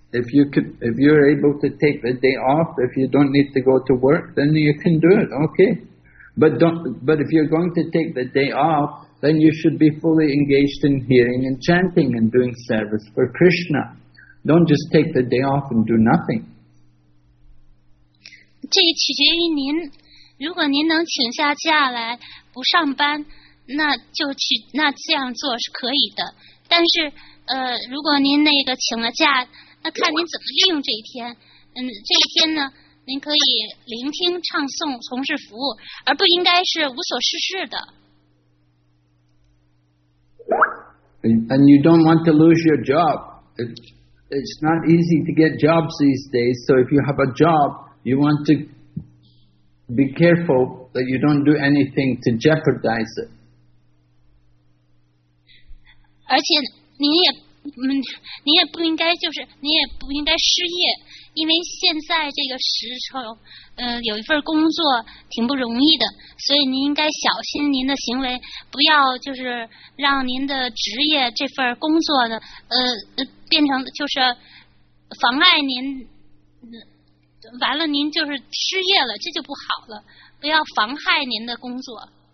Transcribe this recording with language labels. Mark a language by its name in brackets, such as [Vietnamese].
[English] If you're able to take the day off, if you don't need to go to work, then you can do it, okay? But if you're going to take the day off, then you should be fully engaged in hearing and chanting and doing service for Krishna. Don't just take the day off and do nothing. [Chinese] 这取决于您。如果您能请下假来不上班，那就去那这样做是可以的。但是如果您那个请了假，那看您怎么利用这一天。这一天呢，您可以聆听、唱诵、从事服务，而不应该是无所事事的。 [English] And you don't want to lose your job. It's not easy to get jobs these days. So if you have a job, you want to be careful that you don't do anything to jeopardize it. [Chinese] 而且您也不应该就是您也不应该失业，因为现在这个时候，有一份工作挺不容易的，所以您应该小心您的行为，不要就是让您的职业这份工作的变成就是妨碍您，完了您就是失业了，这就不好了，不要妨害您的工作。